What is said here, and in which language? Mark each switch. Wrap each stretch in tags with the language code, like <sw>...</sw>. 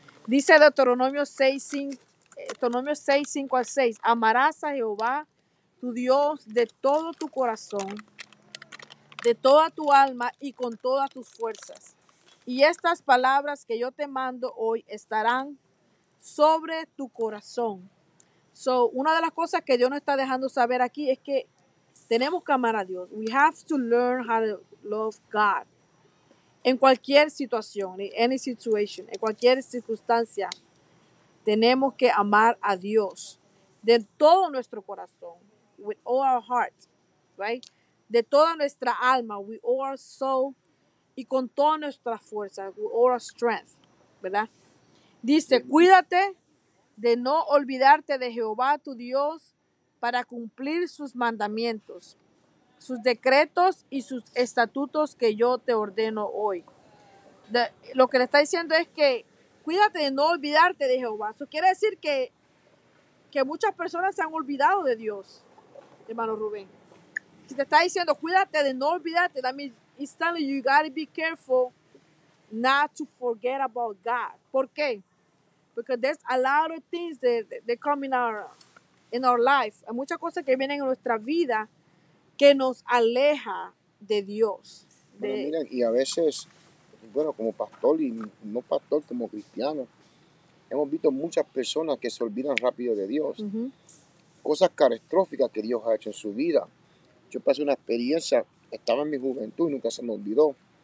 <es>Dice Deuteronomio 6, 5 al 6, amarás a Jehová, tu Dios, de todo tu corazón, de toda tu alma y con todas tus fuerzas. Y estas palabras que yo te mando hoy estarán sobre tu corazón. So, una de las cosas que Dios nos está dejando saber aquí es que tenemos que amar a Dios.</es> <en>We have to learn how to love God.</en> <es>En cualquier situación,</es> <en>in any situation,</en> <es>en cualquier circunstancia, tenemos que amar a Dios de todo nuestro corazón,</es> <en>with all our heart, right?</en> <es>De toda nuestra alma,</es> <en>with all our soul,</en> <es>y con toda nuestra fuerza,</es> <en>with all our strength,</en> <es>¿verdad? Dice, cuídate de no olvidarte de Jehová tu Dios para cumplir sus mandamientos, sus decretos y sus estatutos que yo te ordeno hoy. Lo que le está diciendo es que cuídate de no olvidarte de Jehová. Eso quiere decir que muchas personas se han olvidado de Dios, hermano Rubén. Si te está diciendo cuídate de no olvidarte,</es> <en>that means it's telling you, you gotta be careful not to forget about God.</en> <es>¿Por qué? Porque</es> <en>there's a lot of things that come in our life.</en> <es>Hay muchas cosas que vienen en nuestra vida que nos aleja de Dios. Bueno, miren, y a veces, bueno, como pastor y no pastor, como cristiano, hemos visto muchas personas que se olvidan rápido de Dios. Uh-huh. Cosas catastróficas que Dios ha hecho en su vida. Yo pasé una experiencia, estaba en mi juventud y nunca se me olvidó.</es>